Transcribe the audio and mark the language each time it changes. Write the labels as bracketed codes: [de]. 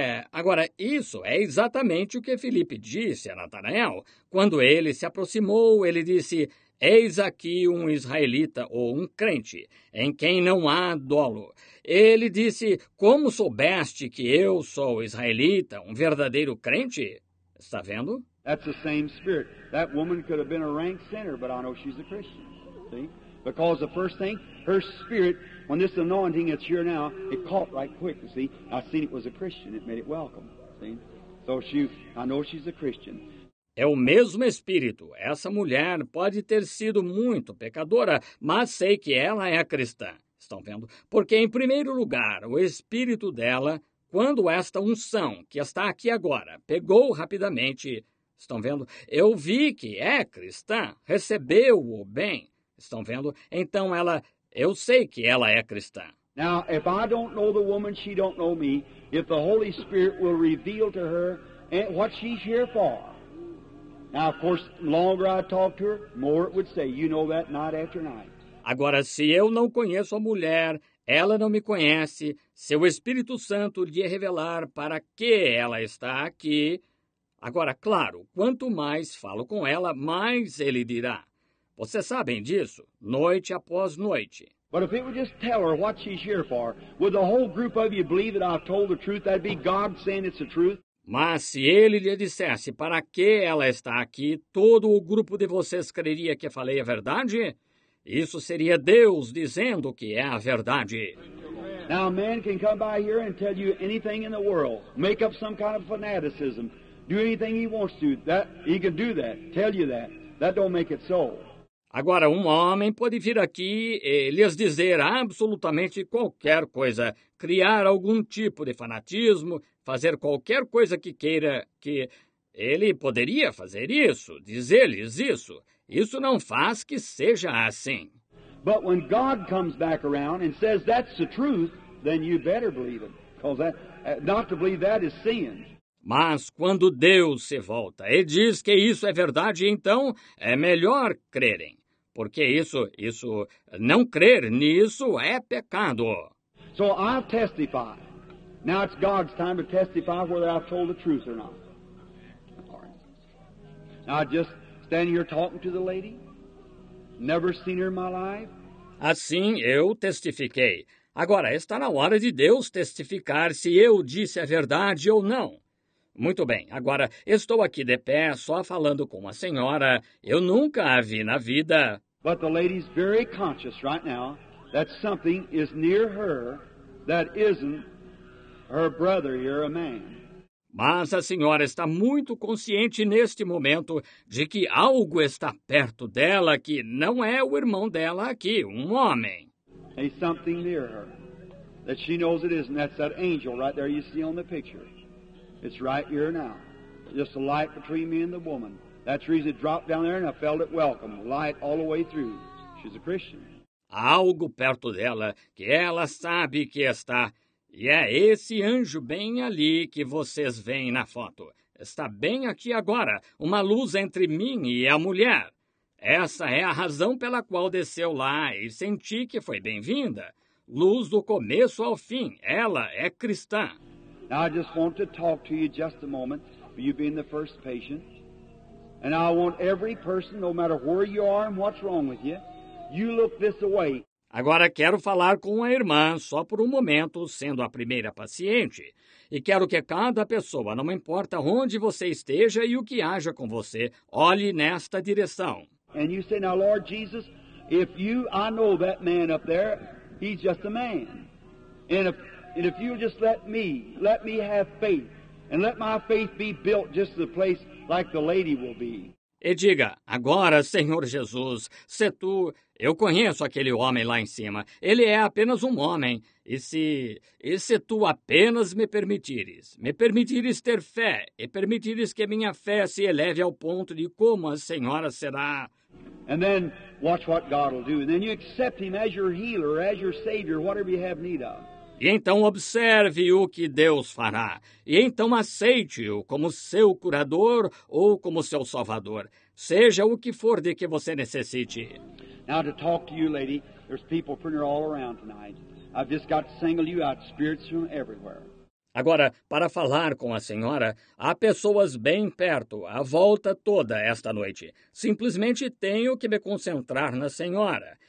[pt] Agora isso é exatamente o que Filipe disse a Natanael. Quando ele se aproximou, ele disse, eis aqui um israelita ou um crente, em quem não há dolo. Ele disse, como soubeste que eu sou israelita, um verdadeiro crente? Está vendo? [en] That's the same spirit. That woman could have been a rank sinner, but I know she's a Christian. See? Because the first thing, her spirit, when this anointing that's here now, it caught right quick. You see, I seen it was a Christian. It made it welcome. See? So she, I know she's a Christian. [pt] É o mesmo espírito. Essa mulher pode ter sido muito pecadora, mas sei que ela é cristã. Estão vendo? Porque em primeiro lugar, o espírito dela, quando esta unção que está aqui agora pegou rapidamente. Estão vendo? Eu vi que é cristã, recebeu-o bem. Estão vendo? Então ela, eu sei que ela é cristã. [en] Now, if I don't know the woman, she don't know me. If the Holy Spirit will reveal to her what she's here for. Now, of course, the longer I talk to her, more it would say, you know that night after night. [pt] Agora, se eu não conheço a mulher, ela não me conhece, se o Espírito Santo lhe revelar para que ela está aqui... Agora, claro, quanto mais falo com ela, mais ele dirá. Vocês sabem disso, noite após noite. [en] But if it would just tell her what she's here for, would the whole group of you believe that I've told the truth? That'd be God saying it's the truth. [pt] Mas se ele lhe dissesse para que ela está aqui, todo o grupo de vocês creria que falei a verdade? Isso seria Deus dizendo que é a verdade. [en] Now a man can come by here and tell you anything in the world, make up some kind of fanaticism. Do anything he wants to. That he can do that. Tell you that. That don't make it so. [pt] Agora um homem pode vir aqui e lhes dizer absolutamente qualquer coisa, criar algum tipo de fanatismo, fazer qualquer coisa que queira, que ele poderia fazer isso, dizer-lhes isso. Isso não faz que seja assim. [en] But when God comes back around and says that's the truth, then you better believe it, because that not to believe that is sin. [pt] Mas quando Deus se volta e diz que isso é verdade, então é melhor crerem, porque isso não crer nisso é pecado. [en] So I testify. Now it's God's time to testify whether I've told the truth or not. All right. Now I just stand here talking to the lady. Never seen her in my life. [pt] Assim eu testifiquei. Agora está na hora de Deus testificar se eu disse a verdade ou não. Muito bem, agora estou aqui de pé só falando com a senhora. Eu nunca a vi na vida. [en] But the lady's very conscious right now that something is near her that isn't her brother here, a man. [pt] Mas a senhora está muito consciente neste momento de que algo está perto dela que não é o irmão dela aqui, um homem. [en] Hey, something near her that she knows it isn't. That's that angel right there you see on the picture. It's right here now. Just a light between me and the woman. That's the reason it dropped down there and I felt it welcome. Light all the way through. She's a Christian. [pt] Há algo perto dela que ela sabe que está. E é esse anjo bem ali que vocês veem na foto. Está bem aqui agora. Uma luz entre mim e a mulher. Essa é a razão pela qual desceu lá e senti que foi bem-vinda. Luz do começo ao fim. Ela é cristã. [en] Now I just want to talk to you just a moment, you being the first patient. And I want every person, no matter where you are and what's wrong with you, you look this way. [pt] Agora quero falar com a irmã, só por um momento, sendo a primeira paciente. E quero que cada pessoa, não importa onde você esteja e o que haja com você, olhe nesta direção. [en] And you say, now, Lord Jesus, if you, I know that man up there, he's just a man. And if you'll just let me have faith, and let my faith be built just the place like the lady will be. [pt] E diga, agora, Senhor Jesus, se tu, eu conheço aquele homem lá em cima, ele é apenas um homem, e se tu apenas me permitires ter fé, e permitires que a minha fé se eleve ao ponto de como a senhora será. [en] And then, watch what God will do, and then you accept him as your healer, as your savior, whatever you have need of. [pt] E então observe o que Deus fará. E então aceite-o como seu curador ou como seu salvador. Seja o que for de que você necessite. [en] Now to talk to you, lady, there's people from here all around tonight. I've just got to single you out, spirits from everywhere. [pt] Agora, para falar com a senhora, há pessoas bem perto, à volta toda esta noite. Simplesmente tenho que me concentrar na senhora.